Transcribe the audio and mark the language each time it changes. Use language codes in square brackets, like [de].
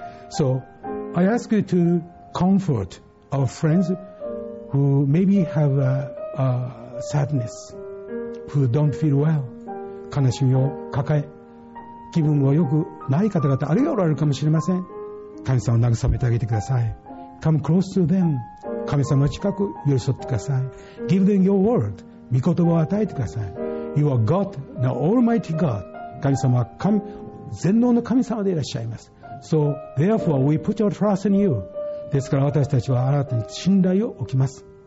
[en] So I ask you to comfort our friends who maybe have a sadness, who don't feel well. [ja] 悲しみを抱え気分が良くない方々あるいはおられるかもしれません。神様を慰めてあげてください。 [en] Come close to them. [ja] 神様の近く寄り添ってください。 [en] Give them your word. [ja] 御言葉を与えてください。 [en] You are God, the Almighty God. [ja] 神様は神全能の神様でいらっしゃいます。 [en] So therefore we put our trust in you. [ja] ですから私たちはあなたに信頼を置きます。